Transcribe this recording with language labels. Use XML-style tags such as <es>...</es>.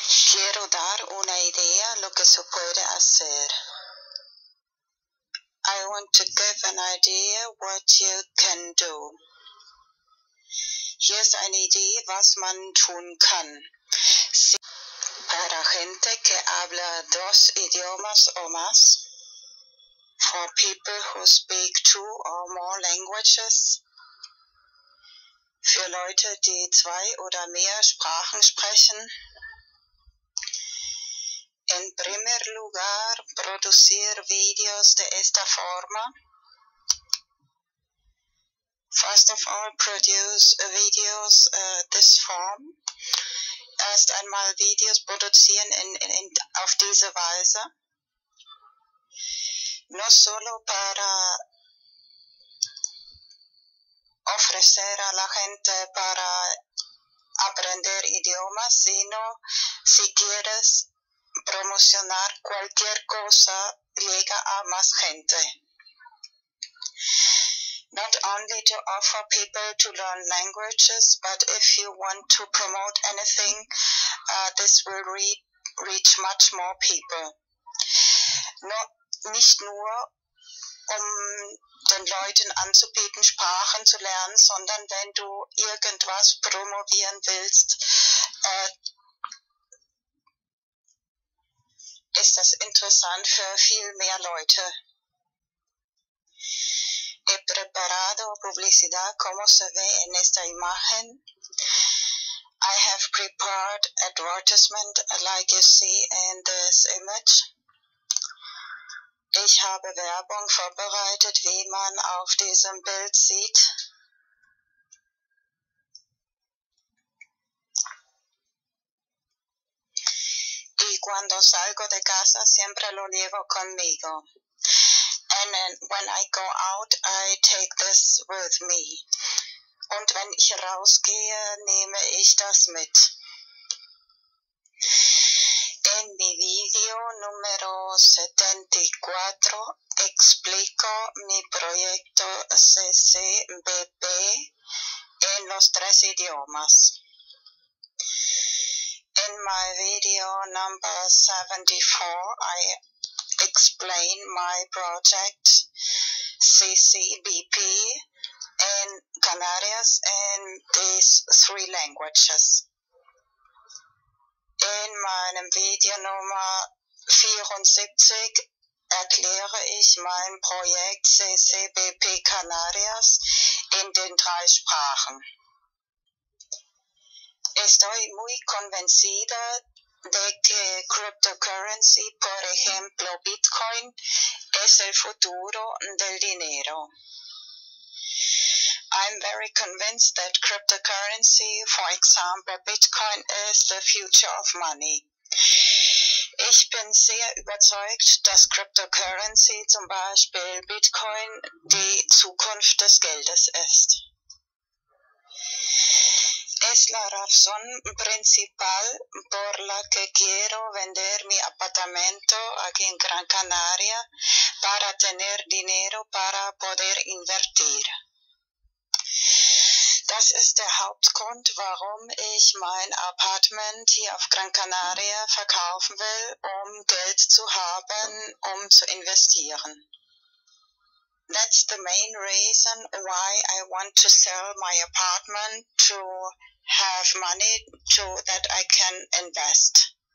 <es>Quiero dar una idea lo que se puede hacer.</es> <en>I want to give an idea what you can do.</en> <de>Hier ist eine Idee, was man tun kann.</de> <es>Para gente que habla dos idiomas o más,</es> <en>for people who speak two or more languages,</en> <de>für Leute, die zwei oder mehr Sprachen sprechen,</de> <es>en primer lugar, producir videos de esta forma.</es> <en>First of all, produce videos this form.</en> <de>Erst einmal Videos produzieren in auf diese Weise.</de> <es>No solo para ofrecer a la gente para aprender idiomas, sino si quieres promocionar cualquier cosa, llega a más gente.</es> <en>Not only to offer people to learn languages, but if you want to promote anything, this will reach much more people.</en> <de>Nicht nur, um den Leuten anzubieten, Sprachen zu lernen, sondern wenn du irgendwas promovieren willst, ist das interessant für viel mehr Leute.</de> <es>He preparado publicidad como se ve en esta imagen.</es> <en>I have prepared advertisement like you see in this image.</en> <de>Ich habe Werbung vorbereitet, wie man auf diesem Bild sieht.</de> <es>Y cuando salgo de casa, siempre lo llevo conmigo.</es> <en>And then when I go out, I take this with me.</en> <de>Und wenn ich rausgehe, nehme ich das mit.</de> <es>En mi video número 74 explico mi proyecto CCBP en los tres idiomas.</es> <en>In my video number 74, I explain my project CCBP in Canarias in these three languages.</en> <de>In meinem Video Nummer 74 erkläre ich mein Projekt CCBP Canarias in den drei Sprachen.</de> <es>Estoy muy convencida de que cryptocurrency, por ejemplo Bitcoin, es el futuro del dinero.</es> <en>I'm very convinced that cryptocurrency, for example Bitcoin, is the future of money.</en> <de>Ich bin sehr überzeugt, dass cryptocurrency, zum Beispiel Bitcoin, die Zukunft des Geldes ist.</de> <es>Es la razón principal por la que quiero vender mi apartamento aquí en Gran Canaria para tener dinero para poder invertir.</es> <de>Das ist der Hauptgrund, warum ich mein Apartment hier auf Gran Canaria verkaufen will, um Geld zu haben, um zu investieren.</de> <en>That's the main reason why I want to sell my apartment to have money to that I can invest.</en>